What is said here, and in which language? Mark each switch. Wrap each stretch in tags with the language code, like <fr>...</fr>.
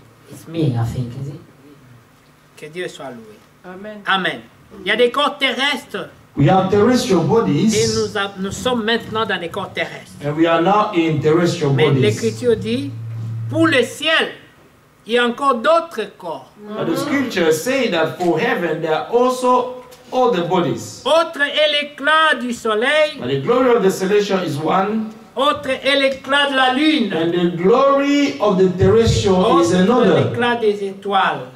<en>It's me, I think, is it?</en> <fr>Que Dieu soit loué. Amen. Amen. Il y a des corps terrestres.</fr> <en>We have terrestrial bodies.</en> <fr>Et nous sommes maintenant dans les corps terrestres.</fr> <en>And we are now in terrestrial bodies.</en> <fr>Mais l'Écriture dit, pour le ciel, il y a encore d'autres corps.</fr> <en>But the Scripture says that for heaven there are also other bodies.</en> <fr>Autre est l'éclat du soleil.</fr> <en>But the glory of the celestial is one.</en> <fr>Autre est l'éclat de la lune.</fr> <en>And the glory of the terrestrial is another.</en> <fr>L'éclat des étoiles.</fr>